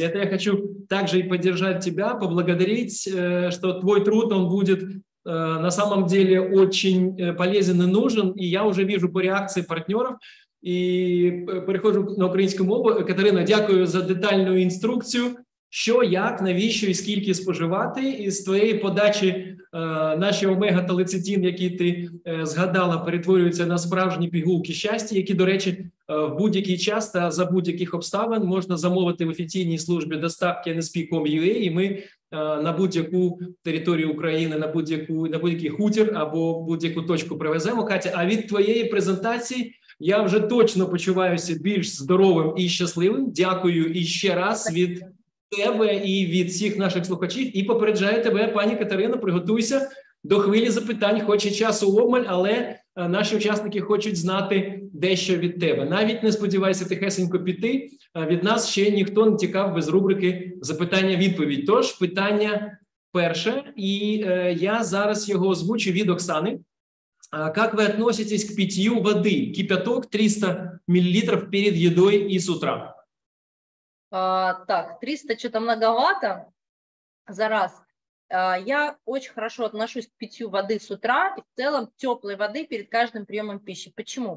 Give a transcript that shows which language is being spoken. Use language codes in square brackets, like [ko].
[ru] Это я хочу также и поддержать тебя, поблагодарить, что твой труд, он будет на самом деле очень полезен и нужен, и я уже вижу по реакции партнеров, и перехожу на украинскую мову. [uk] Катерина, дякую за детальную инструкцию. Що, як, навіщо і скільки споживати? І з твоєї подачі наші омега-талецитін, які ти згадала, перетворюються на справжні пігулки щастя, які, до речі, в будь-який час та за будь-яких обставин можна замовити в офіційній службі доставки nsp.com.ua, і ми на будь-яку територію України, на будь-який хутір або будь-яку точку привеземо, Катя. А від твоєї презентації я вже точно почуваюся більш здоровим і щасливим. Дякую іще раз від тебе і від всіх наших слухачів, і попереджаю тебе, пані Катерино, приготуйся до хвилі запитань, хоч і часу обмаль, але наші учасники хочуть знати дещо від тебе. Навіть не сподівайся тихесенько піти, від нас ще ніхто не тікав без рубрики «Запитання-відповідь». Тож, питання перше, і я зараз його озвучу від Оксани. [ru] Как вы относитесь к питью воды? Кипяток 300 миллилитров перед едой и с утра. Так, 300 что-то многовато за раз. Я очень хорошо отношусь к питью воды с утра и в целом теплой воды перед каждым приемом пищи. Почему?